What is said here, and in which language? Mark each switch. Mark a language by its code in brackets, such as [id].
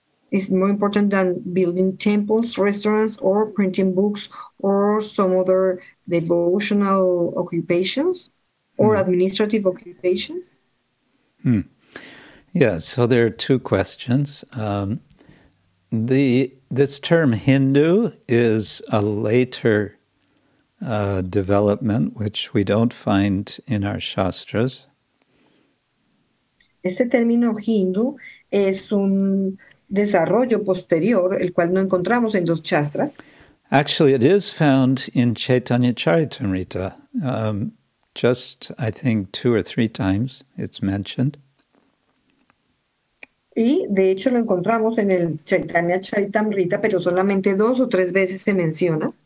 [en] Is more important than building temples, restaurants, or printing books, or some other devotional occupations or administrative occupations? Yeah, so there are two questions. This term Hindu is a later development, which we don't find in our shastras. [es] Este término Hindu es un desarrollo posterior, el cual no encontramos en los shastras. [en] Actually, it is found in Chaitanya Charitamrita. Just, I think, two or three times it's mentioned. [es] Y de hecho lo encontramos en el Chaitanya Charitamrita, pero solamente dos o tres veces se menciona.